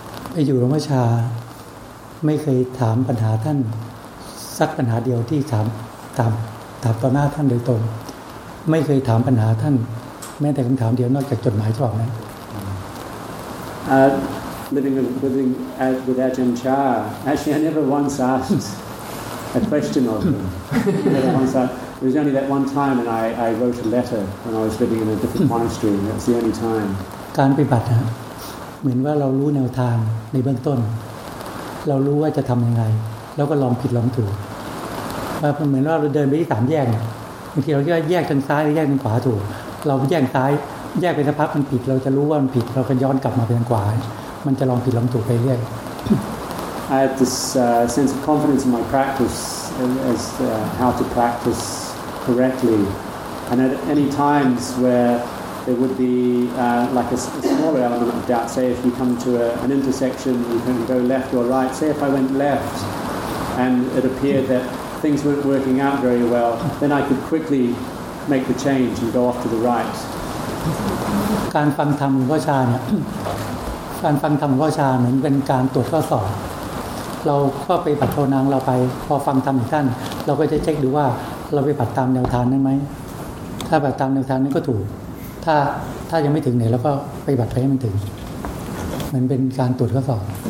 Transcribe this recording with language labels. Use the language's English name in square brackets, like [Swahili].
[Thai] ไปอยู่หลวงพ่อชาไม่เคยถามปัญหาท่านสักปัญหาเดียวที่ถามต่อหน้าท่านโดยตรงไม่เคยถามปัญหาท่านแม้แต่คำถามเดียวนอกจากจดหมายฉบับนั้น [English] living with Ajahn Chah actually I never once asked a question of him never once asked. It was only that one time and I wrote a letter when I was living in a different monastery and that's the only time [Thai] การปฏิบัติเหมือนว่าเรารู้แนวทางในเบื้องต้นเรารู้ว่าจะทำยังไงแล้วก็ลองผิดลองถูกมันเหมือนว่าเราเดินไปที่สามแยกบางทีเราแยกทางซ้ายหรือแยกทางขวาถูกเราแยกซ้ายแยกไปสักพักมันผิดเราจะรู้ว่ามันผิดเราก็ย้อนกลับมาไปทางขวามันจะลองผิดลองถูกไปเรื่อย [English] I have this sense of confidence in my practice as how to practice correctly and at any times where there would be like a smaller element of doubt say if you come to an intersection you can go left or right say if I went left and it appeared thatthings weren't working out very well then I could quickly make the change and go off to the right [Thai] การฟังธรรมวจนะเนี่ยการฟังธรรมวจนะเหมือนเป็นการตรวจข้อสอบเราก็ไปปฏิโทนางเราไปพอฟังธรรมท่านเราก็จะเช็คดูว่าเราไปปฏิตามแนวทางนั้นมั้ยถ้าปฏิตามแนวทางนั้นก็ถูกถ้ายังไม่ถึงไหนแล้วก็ไปปฏิบัติให้มันถึงมันเป็นการตรวจข้อสอบ